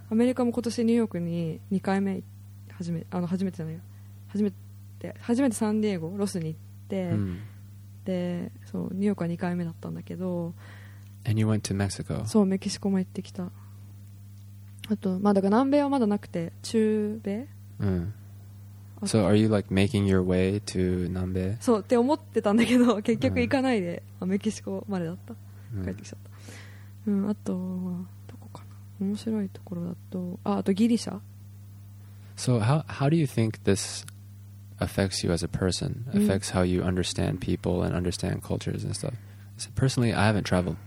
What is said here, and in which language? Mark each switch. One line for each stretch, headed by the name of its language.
Japanese: アメリカも今年ニューヨークに2回目、初めてサンディエゴ、ロスに行って、うん、で、そう、ニューヨークは2回目だったんだけど。
English: And you went to Mexico?
Japanese: そう、メキシコも行ってきた。あと、まあ、だから南米はまだなくて、中米？うん。
English: So are you like making your way to 南米?
Japanese: そうって思ってたんだけど結局行かないで、うん、メキシコまでだった帰ってきちゃった、うんうん、あとはどこかな面白いところだと あとギリシャ
English: So how do you think this affects you as a person? Affects、うん、how you understand people and understand cultures and stuff so, Personally I haven't traveled、